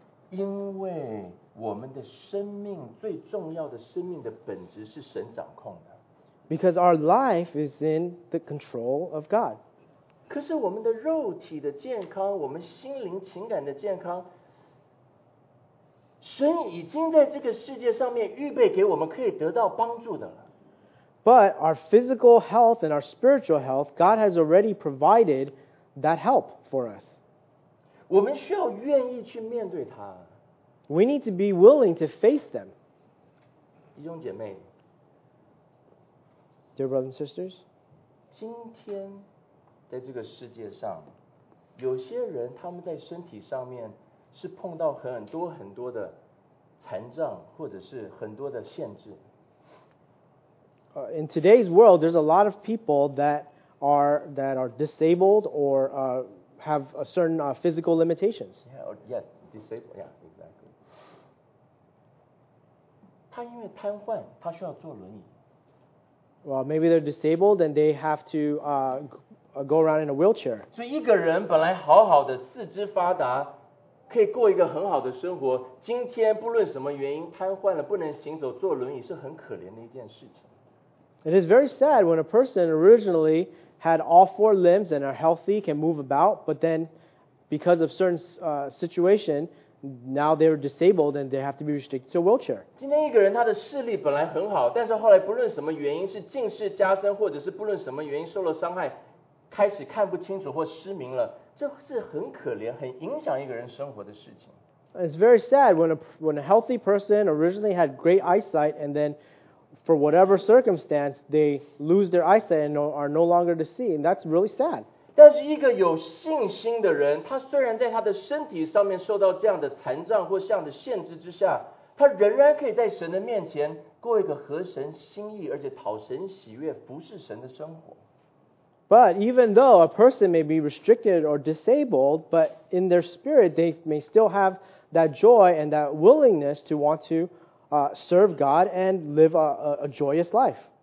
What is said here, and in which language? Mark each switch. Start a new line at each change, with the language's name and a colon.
Chinese: 因为我们的生命最重要的生命的本质是神掌控的。
English: Because our life is in the control of God.
Chinese: 可是我们的肉体的健康，我们心灵情感的健康， 神已经在这个世界上面预备给我们可以得到帮助的了。
English: But our physical health and our spiritual health, God has already provided that help for us.
Chinese: 我们需要愿意去面对它。
English: We need to be willing to face them.
Chinese: 弟兄姐妹,
English: dear brothers and sisters,
Chinese: 今天在这个世界上, 有些人他们在身体上面是碰到很多很多的残障或者是很多的限制。
English: In today's world, there's a lot of people that are disabled or have a certain physical limitations. Yeah, or, yeah, disabled, yeah.
Chinese: 他因为瘫痪, 他需要坐轮椅。
English: Well, maybe they're disabled and they have to go around in a wheelchair.
Chinese: 所以一个人本来好好的, 四肢发达, 可以过一个很好的生活, 今天不论什么原因, 瘫痪了, 不能行走, 坐轮椅, 是很可怜的一件事情。
English: It is very sad when a person originally had all four limbs and are healthy, can move about, but then because of certain situation, now they're disabled and they have to be restricted to a wheelchair.
Chinese: 今天一个人他的视力本来很好, 但是后来不论什么原因, 是近视加深, 或者是不论什么原因, 受了伤害, 开始看不清楚, 或失明了, 这是很可怜, 很影响一个人生活的事情。
English: It's very sad when a healthy person originally had great eyesight and then for whatever circumstance they lose their eyesight and are no longer to see, and that's really sad.
Chinese: 但是一个有信心的人, 他虽然在他的身体上面受到这样的残障或这样的限制之下, 他仍然可以在神的面前过一个合神心意而且讨神喜悦服侍神的生活。
English: But even though a person may be restricted or disabled, but in their spirit they may still have that joy and that willingness to want to serve God and live a joyous life.